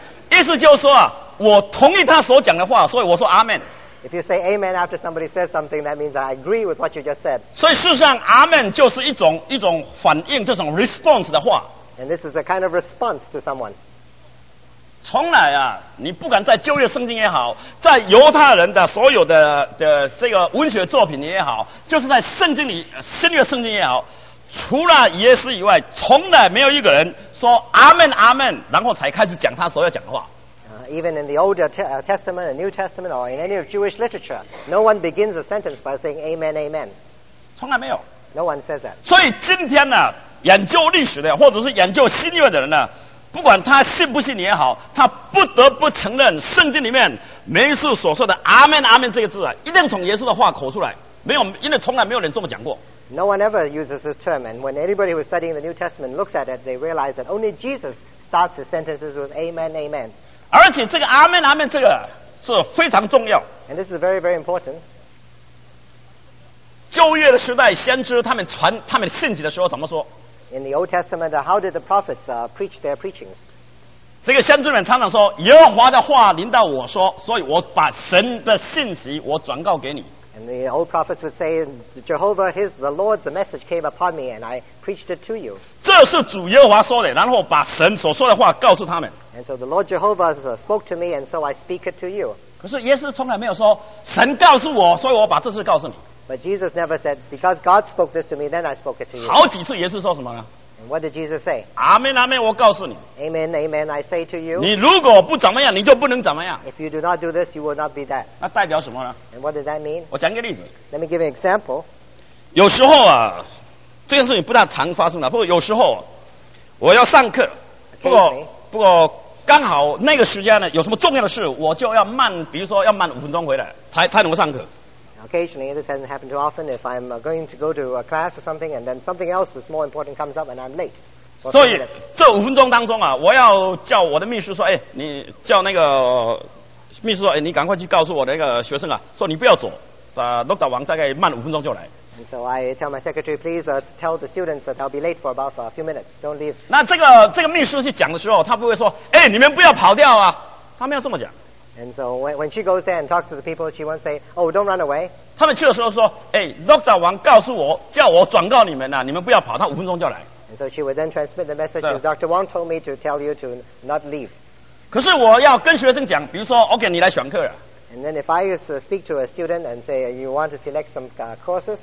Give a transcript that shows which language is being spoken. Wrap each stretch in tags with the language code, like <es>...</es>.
<zh>意思就是说啊，我同意他所讲的话，所以我说阿门。</zh> <en>If you say amen after somebody says something, that means I agree with what you just said.</en> <zh>所以事实上，阿门就是一种反应，这种 response 的话。</zh> <en>And this is a kind of response to someone.</en> <zh>从来啊，你不敢在旧约圣经也好，在犹太人的所有的这个文学作品也好，就是在圣经里新约圣经也好，除了耶稣以外，从来没有一个人说阿门阿门，然后才开始讲他所要讲的话。</zh> <en>Even in the Old Testament, the New Testament, or in any of Jewish literature, no one begins a sentence by saying Amen, Amen.</en> <zh>从来没有。</zh> <en>No one says that.</en> <zh>所以今天呢、啊，研究历史的或者是研究新约的人呢、啊。不管他信不信你也好，他不得不承认圣经里面每一次所说的阿们阿们这个字啊，一定从耶稣的话口出来，没有，因为从来没有人这么讲过。</zh> <en>No one ever uses this term, and when anybody who is studying the New Testament looks at it, they realize that only Jesus starts his sentences with Amen, Amen.</en> <zh>而且这个阿们阿们这个是非常重要。</zh> <en>And this is very, very important.</en> <zh>旧约的时代先知他们传他们信息的时候怎么说？</zh> <en>In the Old Testament, how did the prophets preach their preachings?</en> <zh>这个先知们常常说，耶和华的话临到我说，所以我把神的信息我转告给你。</zh> <en>And the old prophets would say, Jehovah, the Lord's message came upon me, and I preached it to you.</en> <zh>这是主耶和华说的，然后把神所说的话告诉他们。</zh> <en>And so the Lord Jehovah spoke to me, and so I speak it to you.</en> <zh>可是耶稣从来没有说，神告诉我，所以我把这事告诉你。</zh> <en>But Jesus never said, because God spoke this to me, then I spoke it to you.</en> <zh>好几次耶稣说什么呢？</zh> <en>And what did Jesus say?</en> <zh>Amen, Amen, 我告诉你。</zh> <en>Amen, Amen, I say to you.</en> <zh>你如果不怎么样，你就不能怎么样。</zh> <en>If you do not do this, you will not be that.</en> <zh>那代表什么呢？</zh> <en>And what does that mean?</en> <zh>我讲个例子。</zh> <en>Let me give an example.</en> <zh>有时候啊，这件事情不大常发生的，不过有时候我要上课，不过刚好那个时间呢，有什么重要的事，我就要慢，比如说要慢五分钟回来，才能够上课。</zh> <en>Occasionally, this hasn't happened too often. If I'm going to go to a class or something, and then something else is more important comes up, and I'm late.</en> <zh>所以这五分钟当中啊，我要叫我的秘书说，哎，你叫那个秘书说，哎，你赶快去告诉我那个学生啊，说你不要走，陆导王大概慢五分钟就来。</zh> <en>And so I tell my secretary, please tell the students that I'll be late for about a few minutes. Don't leave.</en> <zh>那这个秘书去讲的时候，他不会说，哎，你们不要跑掉啊，他没有这么讲。</zh> <en>And so when she goes there and talks to the people, she won't say, oh, don't run away.</en> <zh>他们去的时候说，哎，Dr. Wang 告诉我，叫我转告你们呐，你们不要跑，他五分钟就来。</zh> <en>And so she would then transmit the message, Dr. Wang told me to tell you to not leave.</en> <zh>可是我要跟学生讲，比如说 OK, 你来选课了。</zh> <en>And then if I used to speak to a student and say you want to select some courses.</en>